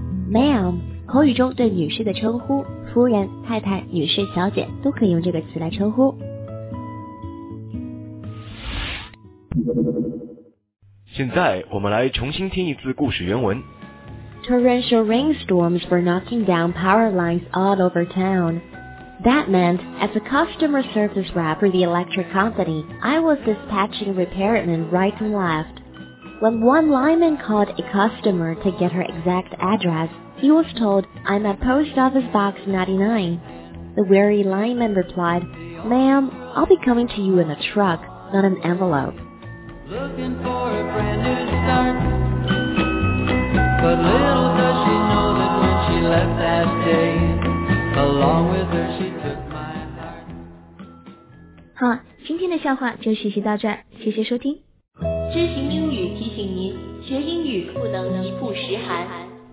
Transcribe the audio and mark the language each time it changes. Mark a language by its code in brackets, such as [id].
[en] Ma'am, [zh] 口语中对女士的称呼，夫人、太太、女士、小姐都可以用这个词来称呼。现在我们来重新听一次故事原文。 [en] Torrential rainstorms were knocking down power lines all over town. That meant, as a customer service rep for the electric company, I was dispatching repairmen right and left. When one lineman called a customer to get her exact address, he was told, I'm at post office box 99. The weary lineman replied, Ma'am, I'll be coming to you in a truck, not an envelope. Looking for a brand new start. But little does she know that when she left that day, along with her she took my heart. [zh] 好，今天的笑话就学习到这儿，谢谢收听。知行英语提醒您，学英语不能一步十寒。